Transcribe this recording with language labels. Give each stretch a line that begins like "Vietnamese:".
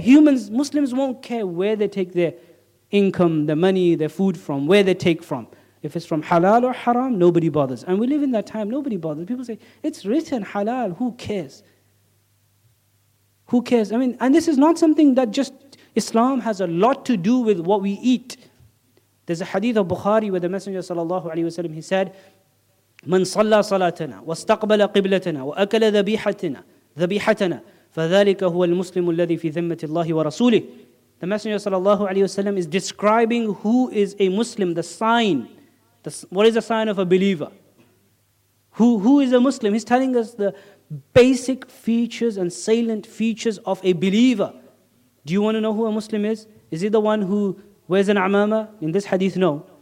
English: Humans, Muslims won't care where they take their income, the money, the food from, where they take from. If it's from halal or haram, nobody bothers. And we live in that time, nobody bothers. People say, it's written halal, who cares? Who cares? I mean, and this is not something that just Islam has a lot to do with what we eat. There's a hadith of Bukhari where the Messenger sallallahu alayhi wa sallam, he said,
Arabic: من صلى صلاتنا واستقبل قبلتنا وأكل ذبيحتنا فذلك هو المسلم الذي في ذمة الله ورسوله.
English: The Messenger sallallahu alayhi wa sallam is describing who is a Muslim, the sign. What is the sign of a believer? Who is a Muslim? He's telling us the basic features and salient features of a believer. Do you want to know who a Muslim is? Is he the one who wears an amama? In this hadith, no.